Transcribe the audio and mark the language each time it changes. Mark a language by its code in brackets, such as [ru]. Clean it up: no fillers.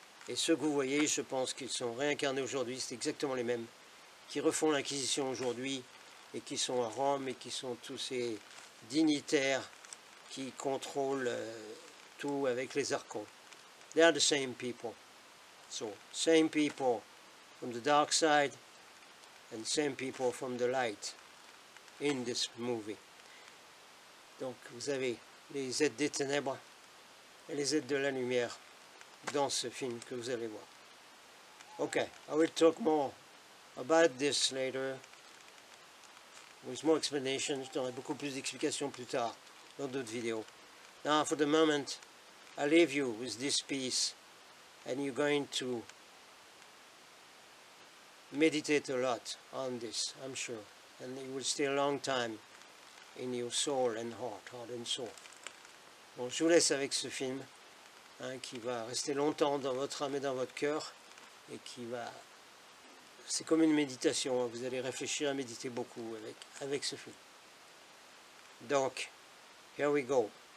[fr] Et ceux que vous voyez, je pense qu'ils sont réincarnés aujourd'hui, c'est exactement les mêmes, qui refont l'inquisition aujourd'hui, et qui sont à Rome, et qui sont tous ces dignitaires qui contrôlent tout avec les archons. [en] They are the same people. So, same people from the dark side, and same people from the light in this movie. [fr] Donc, vous avez les êtres des ténèbres et les êtres de la lumière dans ce film que vous allez voir. [en] Okay, I will talk more about this later with more explanations. [fr] J'aurai beaucoup plus d'explications plus tard dans d'autres vidéos. [en] Now, for the moment, I leave you with this piece, and you're going to meditate a lot on this, I'm sure, and it will stay a long time in your soul and heart, heart and soul. [fr] Bon, je vous laisse avec ce film, hein, qui va rester longtemps dans votre âme et dans votre cœur, et qui va... C'est comme une méditation, hein, vous allez réfléchir et méditer beaucoup avec ce film. [en] Donc, here we go.